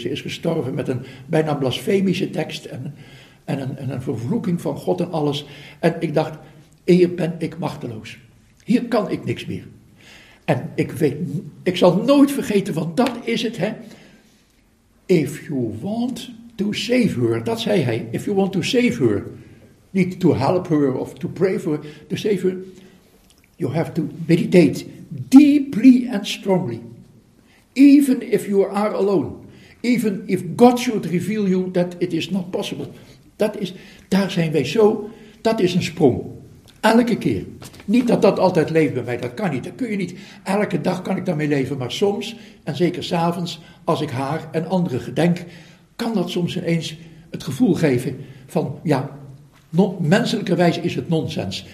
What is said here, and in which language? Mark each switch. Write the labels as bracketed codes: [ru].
[nl] Ze is gestorven met een bijna blasfemische tekst en een vervloeking van God en alles. En ik dacht, hier ben ik machteloos. Hier kan ik niks meer. En ik zal nooit vergeten, want dat is het, hè. [en] If you want to save her, [nl] dat zei hij. [en] If you want to save her, [nl] niet [en] to help her [nl] of [en] to pray for her, to save her, you have to meditate deeply and strongly. Even if you are alone. Even if God should reveal you that it is not possible. [nl] Daar zijn wij zo, dat is een sprong. Elke keer. Niet dat altijd leeft bij mij, dat kan niet, dat kun je niet. Elke dag kan ik daarmee leven, maar soms, en zeker 's avonds, als ik haar en anderen gedenk, kan dat soms ineens het gevoel geven van, ja, menselijkerwijs is het nonsens.